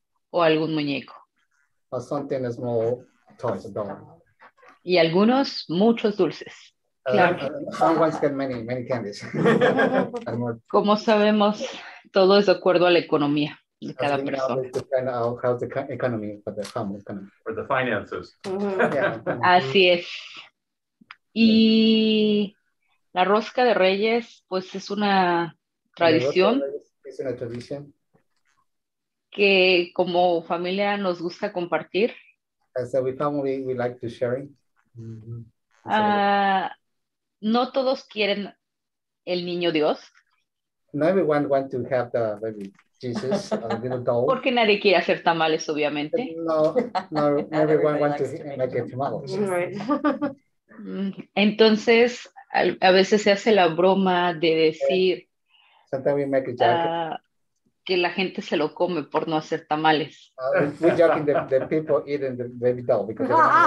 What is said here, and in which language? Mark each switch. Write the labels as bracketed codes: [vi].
[es] O algún muñeco. [en] Or something small, toys, a doll. [es] Y algunos, muchos dulces. [en] Someone wants get many, many candies. [es] Como sabemos, todo es de acuerdo a la economía de cada persona. [en] Depend on how the economy, for the family economy. For the finances. [es] Mm-hmm. Yeah. Así es. Y la rosca de Reyes, pues es una tradición. Es una tradición. Que como familia nos gusta compartir. [en] As a family, we like to share. [es] No todos quieren el niño Dios. [en] Not everyone wants to have the baby Jesus, a little doll. [es] Porque nadie quiere hacer tamales, obviamente. [en] No, everyone wants to make it tamales. Right. [es] Entonces, a veces se hace la broma de decir. [en] Sometimes we make a joke. [es] Que la gente se lo come por no hacer tamales. [en] We're joking the people eating the baby doll because they